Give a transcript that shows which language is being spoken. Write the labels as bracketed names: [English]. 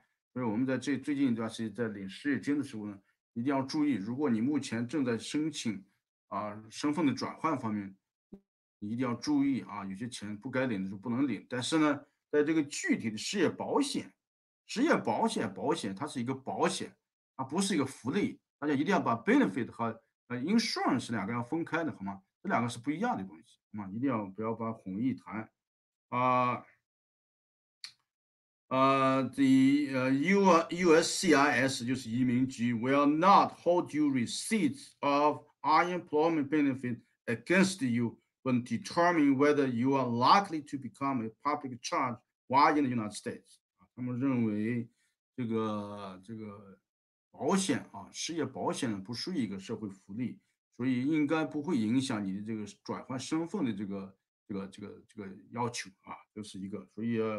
[Chinese] 所以我们在最近一段时间在领失业金的时候呢，一定要注意，如果你目前正在申请身份的转换方面，你一定要注意啊，有些钱不该领的就不能领。但是呢，在这个具体的失业保险它是一个保险，它不是一个福利，大家一定要把 benefit 和insurance 两个要分开的，好吗？这两个是不一样的东西，好吗？一定要不要把混一谈啊。 [English] USCIS [Chinese] 就是移民局 [English] will not hold you receipts of unemployment benefit against you when determining whether you are likely to become a public charge while in the United States。 [Chinese] 他们认为这个保险啊，失业保险呢不属于一个社会福利，所以应该不会影响你的这个转换身份的这个要求啊，就是一个，所以。